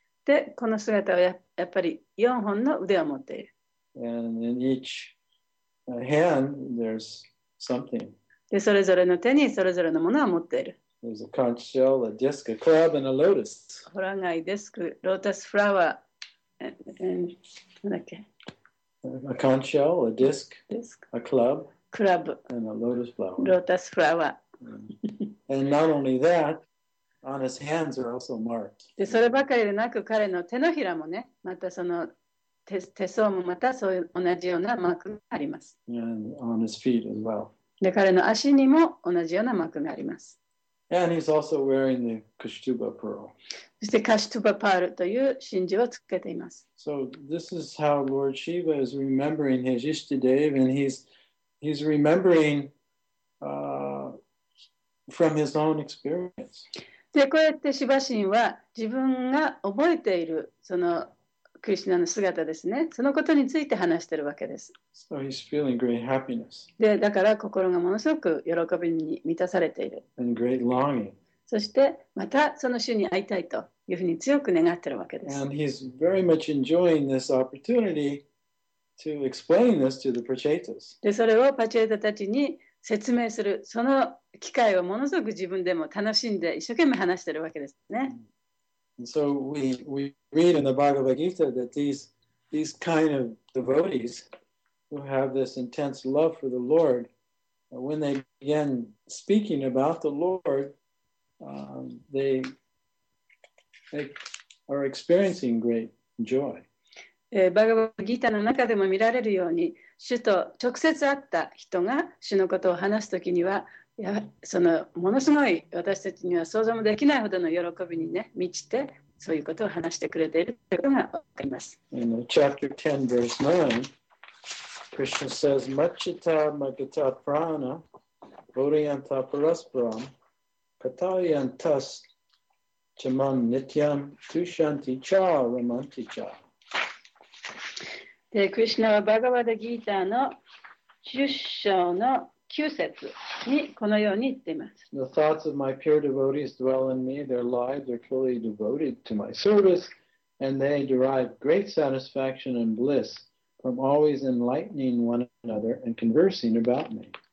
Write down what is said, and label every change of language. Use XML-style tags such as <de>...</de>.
<ja>で、この姿はやっぱり四本の腕を持っている。</ja> <en>And in each hand, there's something.</en> <ja>で、それぞれの手にそれぞれのものを持っている。</ja> <en>There's a conch shell, a disc, a crab, and a lotus.</en> <ja>ホラガイ、デスク、ロータスフラワー、なんだっけ。</ja> <en>A conch shell, a disc, disc. A club, crab, and a lotus flower.</en> <ja>ロータスフラワー。</ja> <en>And not only that, on his hands are also marked.</en> <ja>で、そればかりでなく、彼の手のひらもね、またその手相もまたそういう同じようなマークがあります。</ja> <en>And on his feet as well.</en> <ja>で、彼の足にも同じようなマークがあります。</ja> <en>And he's also wearing the Kashtuba pearl.</en> <ja>そしてカシュトゥバパールという真珠をつけています。</ja> <en>So this is how Lord Shiva is remembering his Ishtadev, and he's remembering from his own experience.</en> <ja>で、こうやってシヴァ神は自分が覚えているそのクリシュナの姿ですね、そのことについて話しているわけです。</ja> <en>So he's feeling great happiness.</en> <ja>で、だから心がものすごく喜びに満たされている。</ja> <en>And great longing.</en> <ja>そしてまたその主に会いたいというふうに強く願っているわけです。</ja> <en>And he's very much enjoying this opportunity to explain this to the Pachetas.</en> <ja>で、それをパチェータたちに説明する、その機会をものすごく自分でも楽しんで一生懸命話しているわけですね。</ja> <en>So we read in the Bhagavad Gita that these kind of devotees who have this intense love for the Lord, when they begin speaking about the Lord,they are experiencing great joy.</en> <ja>バガバギータの中でも見られるように、主と直接会った人が主のことを話すときには、そのものすごい私たちには想像もできないほどの喜びにね満ちて、そういうことを話してくれているということがわかります。</ja> <en>In chapter 10, verse 9, Krishna says,</en> <sa>"Machita magita prana, bodhyanta parasparam." Katayantas chaman nityam tushanti cha ramanti cha.</sa> <ja>で、クリシュナはバガバダギーターの10章の9節にこのように言っています。</ja> <en>The thoughts of my pure devotees dwell in me. Their lives are fully devoted to my service, and they derive great satisfaction and bliss from always enlightening one another and conversing about me.</en>